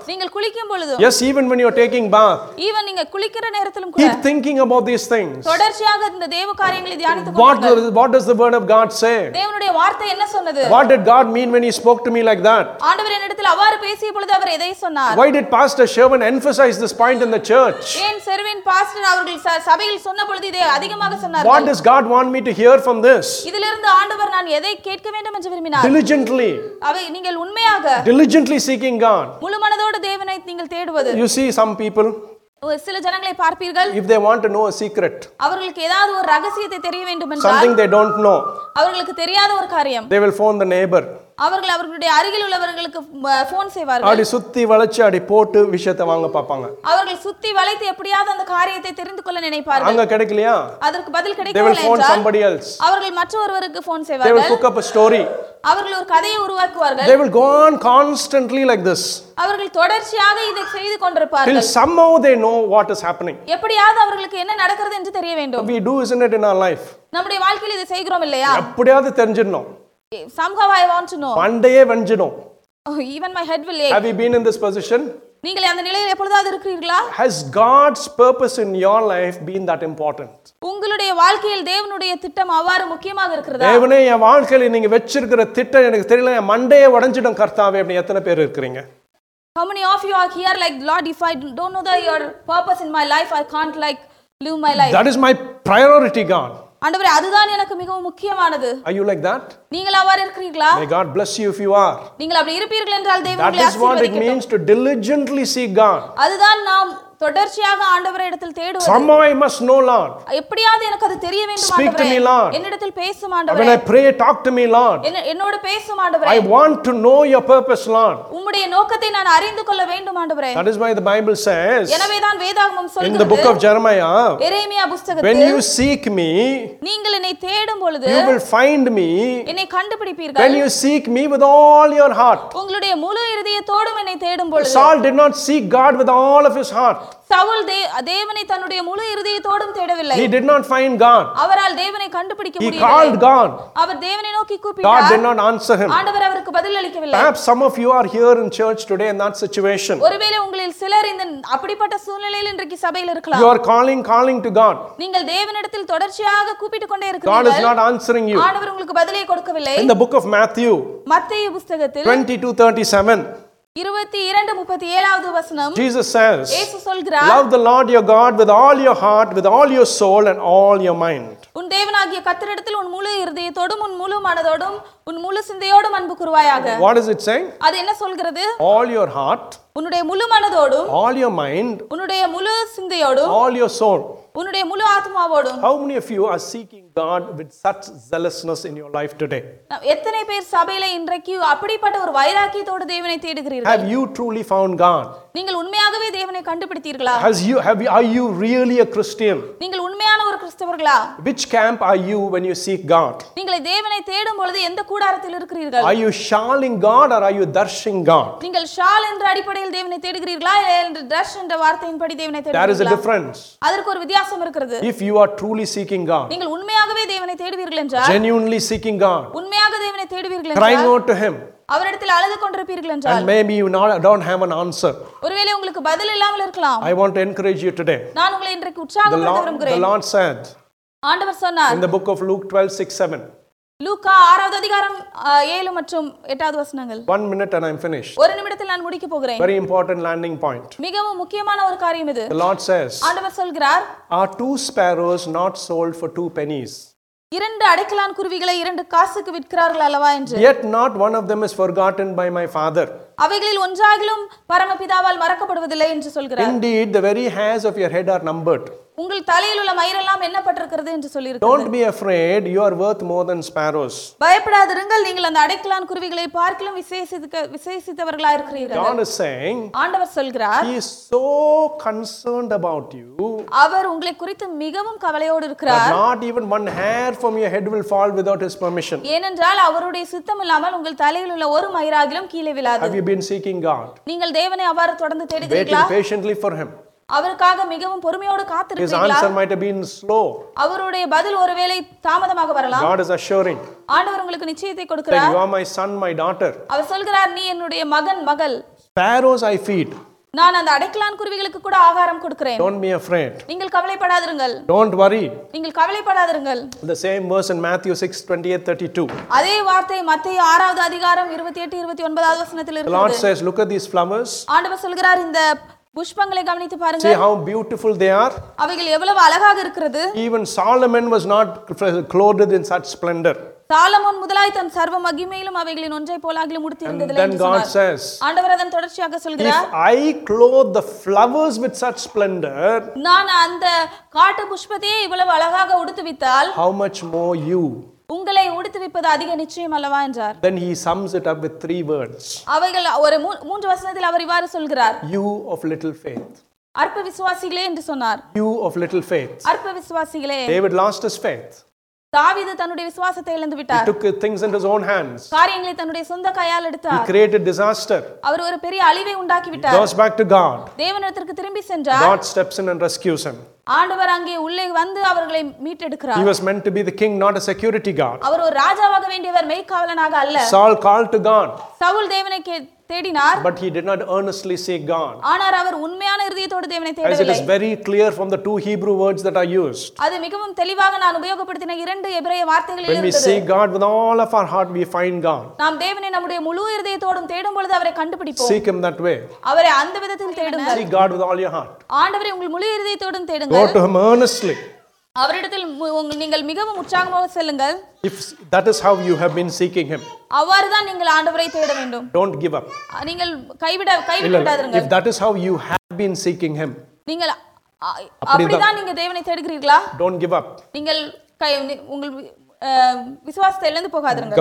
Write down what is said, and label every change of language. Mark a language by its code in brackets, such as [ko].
[ta] நீங்கள் குளிக்கும் பொழுது [en] yes even when you are taking bath [ta] even நீங்கள் குளிக்கிற நேரத்திலும் கூட [en] thinking about these things [ta] தொடர்ச்சியாக இந்த தேவ காரியங்களை தியானித்துக் கொண்டிருங்கள். [en] What does the word of God say? [ta] தேவனுடைய வார்த்தை என்ன சொன்னது? [en] What did God mean when he spoke to me like that? [ta] ஆண்டவர் என்னிடத்தில் அவ்வாறு பேசிய பொழுது அவர் எதை சொன்னார்? [en] Why did Pastor Sherwin emphasize this point in the church? [ta] ஏன் செர்வின் பாஸ்டர் அவர்கள் சபையில் சொன்ன பொழுது இதை அதிகமாக சொன்னார்? [en] What does God want me to hear from this? [ta] இதிலிருந்து ஆண்டவர் நான் எதை கேட்க வேண்டும் என்று விரும்பினார்? [en] Diligently. [ta] அவை நீங்கள் உண்மையாக [en] diligently seeking God. [ta] முழு மனதோடு தேவனை நீங்கள் தேடுவது. [en] You see some people [ta] சில ஜனங்களை பார்ப்பீர்கள் [en] if they want to know a secret [ta] அவங்களுக்கு ஏதாவது ஒரு ரகசியத்தை தெரிய வேண்டும் என்றால் [en] something they don't know [ta] அவங்களுக்கு தெரியாத ஒரு காரியம் [en] they will phone the neighbor [ta] அவர்கள் அவர்களுடைய அருகில் உள்ளவர்களுக்கு ஃபோன் செய்வார்கள் ஆடி சுத்தி வளைச்சு ஆடி போட்டு விஷயத்தை வாங்க பார்ப்பாங்க அவர்கள் சுத்தி வளைத்து எப்படியாவது அந்த காரியத்தை தெரிந்து கொள்ள நினைப்பார்கள் அங்க கிடைக்கலையா அதற்கு பதில் கிடைக்கவில்லை என்றால் [en] they will phone somebody else [ta] அவர்கள் மற்றவருக்கு ஃபோன் செய்வார்கள் [en] they will cook up a story [ta] அவர்கள் ஒரு கதையை உருவாக்குவார்கள் [en] they will go on constantly like this [ta] அவர்கள் தொடர்ச்சியாக இதை செய்து கொண்டிருப்பார்கள் [en] till somehow they know what is happening [ta] எப்படியாவது அவங்களுக்கு என்ன நடக்கிறது என்று தெரிய வேண்டும் [en] we do isn't it in our life [ta] நம்முடைய வாழ்க்கையில இதை செய்கிறோம் இல்லையா எப்படியாவது தெரிஞ்சிரணும் [en] Somehow I want to know. [ta] பண்டையே வஞ்சினோம். [en] Oh, even my head will ache. Have you been in this position? [ta] நீங்கள் அந்த நிலையில் எப்பொழுதாவது இருக்கிறீர்களா? [en] Has God's purpose in your life been that important? [ta] உங்களுடைய வாழ்க்கையில் தேவனுடைய திட்டம் அவ்வாறு முக்கியமாக இருக்கிறதா? தேவனே என் வாழ்க்கையில் நீங்க வச்சிருக்கிற திட்டம் எனக்கு தெரியல. என் மண்டையே உடைஞ்சிடும் கர்த்தாவே அப்படி எத்தனை பேர் இருக்கிறீங்க? [en] How many of you are here like Lord if I don't know that your purpose in my life I can't like live my life. That is my priority God. [ta] ஆண்டவரே அதுதான் எனக்கு மிகவும் முக்கியமானது. [en] Are you like that? [ta] நீங்கள் அவ்வாறு இருக்கிறீர்களா? [en] May God bless you if you are. [ta] நீங்கள் அப்படி இருப்பீர்கள் என்றால் தேவன் உங்களை ஆசீர்வதிக்கட்டும். [en] That is what it means to diligently seek God. [ta] அதுதான் நாம் தொடர்ச்சியாக ஆண்டவரை இடத்தில் தேடுவது. [en] Somehow I must know Lord. [ta] எப்படியாவது எனக்கு அது தெரிய வேண்டும் ஆண்டவரே. [en] Speak to me Lord. [ta] என்னிடத்தில் பேசும் ஆண்டவரே. [en] When I pray talk to me Lord. [ta] என்னோடு பேசும் ஆண்டவரே. [en] I want to know your purpose Lord. [ta] உம்முடைய நோக்கத்தை நான் அறிந்து கொள்ள வேண்டும் ஆண்டவரே. [en] That is why the Bible says. [ta] எனவே தான் வேதாகமம் சொல்கிறது. [en] In the book of Jeremiah. [ta] எரேமியா புத்தகத்தில். [en] When you seek me. [ta] நீங்கள் என்னை தேடும் பொழுது. [en] You will find me. [ta] என்னை கண்டுபிடிப்பீர்கள். [en] When you seek me with all your heart. [ta] உங்களுடைய முழு இருதயத்தோடும் என்னை தேடும் பொழுது. [en] Saul did not seek God with all of his heart. [ta] Saul தேவனை தன்னுடைய முழு இருதயத்தோடும் தேடவில்லை. [en] He did not find God. [ta] அவரால் தேவனை கண்டுபிடிக்க முடியவில்லை. [en] He called God. [ta] அவர் தேவனை நோக்கி கூப்பிட்டார். [en] God did not answer him. [ta] ஆண்டவர் அவருக்கு பதிலளிக்கவில்லை. [en] Perhaps some of you are here in church today in that situation. [ta] ஒருவேளை உங்களில் சிலர் இந்த அப்படிப்பட்ட சூழ்நிலையில் இன்றைக்கு சபையில் இருக்கலாம். [en] You are calling to God. [ta] நீங்கள் தேவனிடத்தில் தொடர்ச்சியாக கூப்பிட்டுக் கொண்டே இருக்கிறீர்கள். [en] God is not answering you. [ta] ஆண்டவர் உங்களுக்கு பதிலை கொடுக்கவில்லை. [en] In the book of Matthew. [ta] மத்தேயு புத்தகத்தில் 22:37 22:37 வசனம் [en] Jesus says [ta] இயேசு சொல்கிறார் [en] Love the Lord your God with all your heart with all your soul and all your mind [ta] உன் தேவனாகிய கர்த்தரிடத்தில் உன் முழு இருதயத்தோடும் உன் முழு மனதோடும் உன் முழு சிந்தையோடும் அன்பு கூறுவாயாக. [en] What is it saying? [ta] அது என்ன சொல்கிறது? [en] All your heart. [ta] உன்னுடைய முழு மனதோடும். [en] All your mind. [ta] உன்னுடைய முழு சிந்தையோடும். [en] All your soul. [ta] உன்னுடைய முழு ஆத்மாவோடும். [en] How many of you are seeking God with such zealousness in your life today? [ta] எத்தனை பேர் சபையில் இன்றைக்கு அப்படிப்பட்ட ஒரு வைராக்கியத்தோடு தேவனை தேடுகிறீர்கள்? [en] Have you truly found God? [ta] நீங்கள் உண்மையாகவே தேவனை கண்டுபிடித்தீர்களா? [en] Are you really a Christian? [ta] நீங்கள் உண்மையான ஒரு கிறிஸ்தவர்களா? [en] Which camp are you when you seek God? [ta] நீங்கள் தேவனை தேடும் பொழுது எந்த கூடாரத்தில் இருக்கிறீர்கள்? [en] Are you shalling God or are you darshing God? [ta] நீங்கள் ஷால் என்ற அடிப்படையில் தேவனை தேடுகிறீர்களா இல்லை டர்ஷ் என்ற வார்த்தையின்படி தேவனை தேடுகிறீர்களா? [en] There is a difference. [ta] அதற்கு ஒரு வித்தியாசம் இருக்கிறது. [en] If you are truly seeking God. [ta] நீங்கள் உண்மையாகவே தேவனை தேடுவீர்கள் என்றால். [en] Genuinely seeking God. [ta] உண்மையாக தேவனை தேடுவீர்கள் என்றால். [en] Crying out to him. [ta] அவரிடத்தில் அழுது கொண்டிருப்பீர்கள் என்றால் [en] and maybe you don't have an answer. [ta] ஒருவேளை உங்களுக்கு பதில் இல்லாமல் இருக்கலாம். [en] I want to encourage you today. [ta] நான் உங்களை இன்றைக்கு உற்சாகப்படுத்த விரும்புகிறேன். [en] The Lord said. [ta] ஆண்டவர் சொன்னார். [en] In the book of Luke 12:6-7. [ta] லூக்கா 6வது அதிகாரம் 7 மற்றும் 8வது வசனங்கள். [en] 1 minute and I'm finished. [ta] ஒரு நிமிடத்தில் நான் முடிக்க போகிறேன். [en] Very important landing point. [ta] மிகவும் முக்கியமான ஒரு காரியம் இது. [en] The Lord says. [ta] ஆண்டவர் சொல்கிறார். [en] Are two sparrows not sold for 2 pennies? [ta] இரண்டு அடைக்கலான் குருவிகளை 2 காசுக்கு விற்கிறார்கள் அல்லவா என்று. [en] Yet not one of them is forgotten by my father. [ta] அவைகளில் ஒன்றாகிலும் பரமபிதாவால் மறக்கப்படுவதில்லை என்று சொல்கிறார். [en] Indeed the very hairs of your head are numbered. [ta] உங்கள் தலையில் உள்ள மயிரெல்லாம் எண்ணப்பட்டிருக்கிறது என்று சொல்லியிருக்கிறது. [en] Don't be afraid, you are worth more than sparrows. [ta] பயப்படாதிருங்கள், நீங்கள் அந்த அடைக்கலான் குருவிகளை பார்க்கலாம் விசேஷித்தவர்களாக இருக்கிறீர்கள். [en] God is saying. [ta] ஆண்டவர் சொல்கிறார். [en] He is so concerned about you. [ta] அவர் உங்களை குறித்து மிகவும் கவலையோடு இருக்கிறார். [en] Not even one hair from your head will fall without his permission. [ta] ஏனென்றால் அவருடைய சித்தம் இல்லாமல் உங்கள் தலையில் உள்ள ஒரு மயிராகிலும் கீழே விழாது. [en] Have you been seeking God? [ta] நீங்கள் தேவனை அவ்வாறு தொடர்ந்து தேடுகிறீர்களா? [en] Waiting patiently for him. [ta] அவருக்காக மிகவும் பொறுமையோடு காத்திருக்கிறீர்களா? [en] His answer might have been slow. [ta] அவருடைய பதில் ஒருவேளை தாமதமாக வரலாம். [en] God is assuring. [ta] ஆண்டவர் உங்களுக்கு நிச்சயத்தை கொடுக்கிறார். [en] You are my son, my daughter. [ta] அவர் சொல்கிறார், நீ என்னுடைய மகன் மகள். [en] Sparrows I feed. [ta] நான் அந்த அடைக்கலான் குருவிகளுக்கு கூட ஆகாரம் கொடுக்கிறேன். [en] Don't be afraid. [ta] நீங்கள் கவலைப்படாதிருங்கள். [en] Don't worry. [ta] நீங்கள் கவலைப்படாதிருங்கள். [en] The same verse in Matthew 6:28-32. [ta] அதே வார்த்தை மத்தேயு 6வது அதிகாரம் 28-29வது வசனத்தில் இருக்கிறது. [en] Lord says, look at these flowers. [ta] ஆண்டவர் சொல்கிறார், இந்த புஷ்பங்களை கவனித்து பாருங்க. [en] See how beautiful they are. [ta] அவைகள் எவ்வளவு அழகாக இருக்கிறது. [en] Even Solomon was not clothed in such splendor. [ta] Solomon முதலாய் தன் சர்வ மகிமையிலும் அவைகளின் ஒன்றை போலாகிலும் உடுத்தியிருந்ததில்லை. [en] Then God says. [ta] ஆண்டவர் அதன் தொடர்ச்சியாக சொல்கிறார். [en] If I clothe the flowers with such splendor. [ta] நான் அந்த காட்டு புஷ்பத்தையே இவ்வளவு அழகாக உடுத்துவித்தால். [en] How much more you. [ta] உங்களை உடுத்து விப்பது அதிக நிச்சயம் அல்லவா என்றார். [en] Then he sums it up with 3 words. [ta] அவைகள் ஒரு 3 வசனத்தில் அவர் இவ்வாறு சொல்கிறார். [en] You of little faith. [ta] அற்ப விசுவாசிகளே என்று சொன்னார். [en] You of little faith. [ta] அற்ப விசுவாசிகளே. [en] David lost his faith. [ta] தாவீது தன்னுடைய விசுவாசத்தை இழந்து விட்டார். [en] He took things into his own hands. [ta] காரியங்களை தன்னுடைய சொந்த கையால் எடுத்தார். [en] He created disaster. [ta] அவர் ஒரு பெரிய அழிவை உண்டாக்கி விட்டார். [en] He goes back to God. [ta] தேவனிடத்திற்கு திரும்பி சென்றார். [en] God steps in and rescues him. [ta] ஆண்டவர் அங்கே உள்ளே வந்து அவர்களை மீட்டெடுக்கிறார். [en] He was meant to be the king, not a security guard. [ta] அவர் ஒரு ராஜாவாக வேண்டியவர் மெய்க்காவலனாக அல்ல. [en] Saul called to God. [ta] Saul தேவனை தேடினார். [en] But he did not earnestly seek God. [ta] ஆனால் அவர் உண்மையான இருதயத்தோடு தேவனை தேடவில்லை. [en] As it is very clear from the 2 Hebrew words that are used. [ta] அது மிகவும் தெளிவாக நான் உபயோகப்படுத்தின 2 எபிரேய வார்த்தைகளில் [en] When we seek God with all of our heart, we find God. [ta] நாம் தேவனை நம்முடைய முழு இருதயத்தோடும் தேடும் பொழுது அவரை கண்டுபிடிப்போம். [en] Seek him that way. [ta] அவரை அந்த விதத்தில் தேடுங்கள். [en] Seek God with all your heart. [ta] ஆண்டவரே, உங்கள் முழு இருதயத்தோடும் [en] Go to him earnestly. [ta] அவரிடத்தில் நீங்கள் மிகவும் உற்சாகமாக செல்லுங்கள். [en] If that is how you have been seeking him. [ta] அவர்தான் நீங்கள் ஆண்டவரை தேட வேண்டும். [en] Don't give up. [ta] நீங்கள் கைவிடாதீர்கள். [en] If that is how you have been seeking him. [ta] நீங்கள் அப்படிதான் நீங்கள் தேவனை தேடுகிறீர்களா? [en] Don't give up. [ta] நீங்கள் உங்கள் விசுவாசத்தை இழந்து போகாதீர்கள்.